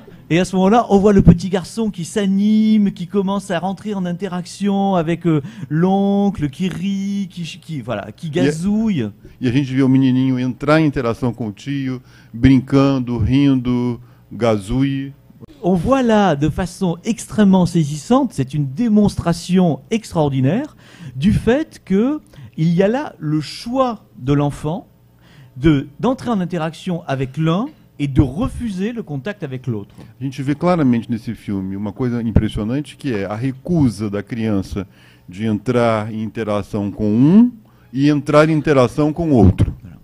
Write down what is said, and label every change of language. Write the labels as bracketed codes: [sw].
[fr] Et à ce moment-là, on voit le petit garçon qui s'anime, qui commence à rentrer en interaction avec l'oncle, qui rit, qui gazouille. [pt] E a gente vê o menininho entrar em interação com o tio, brincando, rindo, gazouille. [fr] On voit là, de façon extrêmement saisissante, c'est une démonstration extraordinaire, du fait qu'il y a là le choix de l'enfant d'entrer en interaction avec l'un et de refuser le contact avec l'autre. [pt] A gente vê claramente nesse filme uma coisa impressionnante, que é a recusa da criança de entrar em interação com um e entrar em interação com outro.